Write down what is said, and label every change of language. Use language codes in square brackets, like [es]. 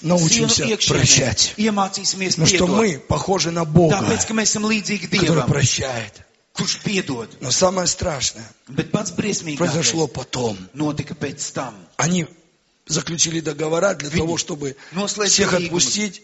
[ru] научимся iekšēmē, прощать. [lv] Iemācīsimies piedot. [ru] Но что мы похожи на Бога, [lv] tāpēc, ka mēs esam līdzīgi Dievam, [ru] который прощает. [lv] Kurš piedod. [ru] Но самое страшное [lv] Bet pats briesmīgākais [ru] произошло потом. [lv] Notika pēc tam. [ru] Они заключили договора для того, чтобы всех отпустить.